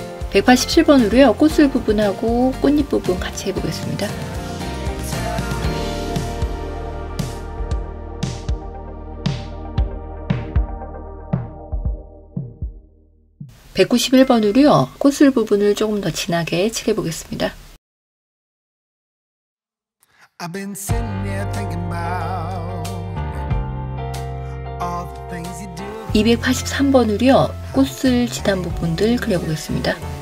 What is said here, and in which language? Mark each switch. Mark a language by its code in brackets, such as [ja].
[ko] 187번으로요, 꽃술 부분하고 꽃잎 부분 같이 해보겠습니다. 191번으로요, 꽃술 부분을 조금 더 진하게 칠해보겠습니다. [en] I've been sitting here thinking about all the things you do. [ko] 283번으로요, 꽃술 진한 부분들 그려보겠습니다.